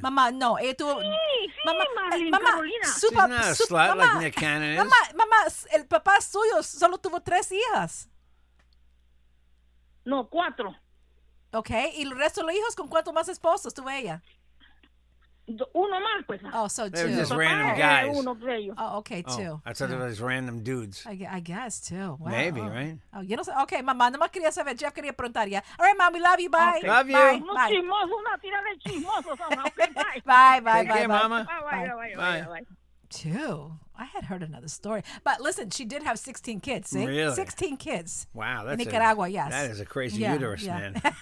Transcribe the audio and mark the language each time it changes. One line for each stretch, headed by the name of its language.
Spanish: Mamá, no. Ella tuvo... Sí, mamá, Carolina.
English: She's not a slut like Nick Cannon is.
Spanish: Mamá, el papá suyo solo tuvo 3 hijas. No, 4. Okay, ¿y el resto de los hijos con cuántos más esposos tuvo ella? Uno más, pues.
English: Oh, so 2. They were just random guys.
Spanish: Uno, creo yo.
English: Oh, okay, 2. I thought they were just random dudes. I guess, 2. Wow. Maybe, right? Oh, you know, okay,
Spanish: mamá, nomás quería saber. Jeff quería preguntar ya.
English: All right, mom, we love you. Bye. Okay. Love bye. You. Bye. Bye.
Spanish: Chismoso, una tira de chismoso.
English: Bye, bye, take bye. Take care, bye. Mama. Bye. 2. I had heard another story. But listen, she did have 16 kids, see? Really? 16 kids. Wow, that's in Nicaragua, yes. That is a crazy uterus, man.